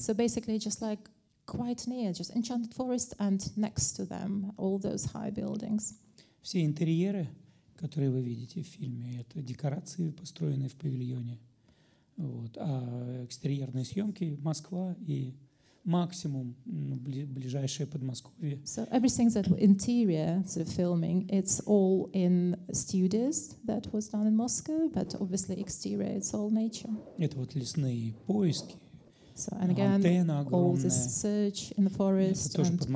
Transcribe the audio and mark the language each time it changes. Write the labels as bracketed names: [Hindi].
[English] So basically just like quite near, just enchanted forest and next to them all those high buildings. [Russian] Все интерьеры, которые вы видите в фильме, это декорации, построенные в павильоне. Вот. А экстерьерные съемки — Москва и максимум ближайшее Подмосковье. [English] So everything that interior sort of filming, it's all in studios that was done in Moscow, but obviously exterior, it's all nature. [Russian] Это вот лесные поиски. [English] So and again, all this search in the forest and